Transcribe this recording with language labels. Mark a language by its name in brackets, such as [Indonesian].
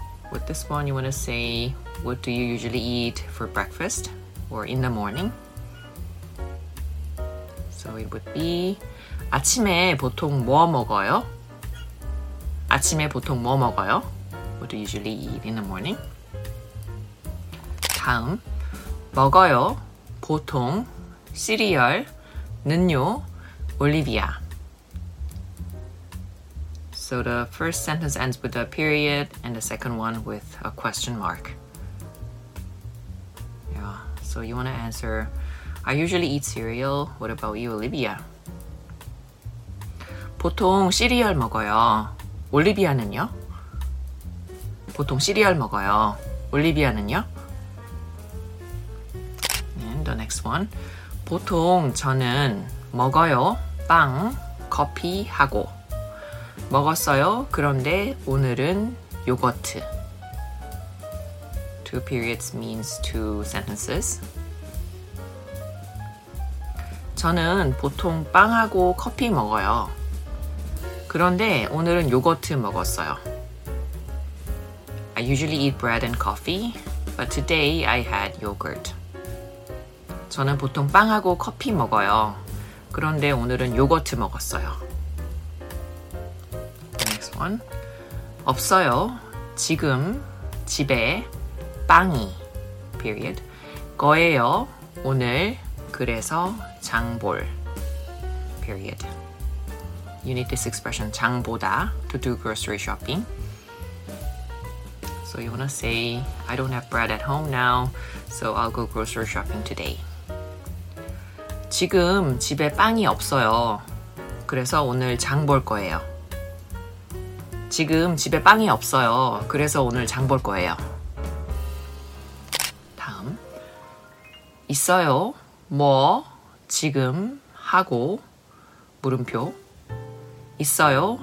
[English] With this one, you want to say, what do you usually eat for breakfast or in the morning? So it would be, [Korean] 아침에 보통 뭐 먹어요? 아침에 보통 뭐 먹어요? [English] What do you usually eat in the morning? [Korean] 다음, 먹어요, 보통, 시리얼, 는요, 올리비아. [English] So the first sentence ends with a period and the second one with a question mark. Yeah, so you want to answer, I usually eat cereal. What about you, Olivia? [Korean] 보통 시리얼 먹어요. 올리비아는요? 보통 시리얼 먹어요. 올리비아는요? [English] And the next one. [Korean] 보통 저는 먹어요. 빵, 커피 하고. 먹었어요. 그런데 오늘은 요거트. [English] Two periods means two sentences. [Korean] 저는 보통 빵하고 커피 먹어요. 그런데 오늘은 요거트 먹었어요. [English] I usually eat bread and coffee, but today I had yogurt. [Korean] 저는 보통 빵하고 커피 먹어요. 그런데 오늘은 요거트 먹었어요. [English] One. [Korean] 없어요. 지금 집에 빵이 [English] period [Korean] 거예요. 오늘 그래서 장볼 [English] period. You need this expression 장보다 to do grocery shopping. So you wanna say I don't have bread at home now, so I'll go grocery shopping today. [Korean] 지금 집에 빵이 없어요. 그래서 오늘 장볼 거예요. 지금 집에 빵이 없어요. 그래서 오늘 장 볼 거예요. 다음 있어요. 뭐 지금 하고 물음표 있어요.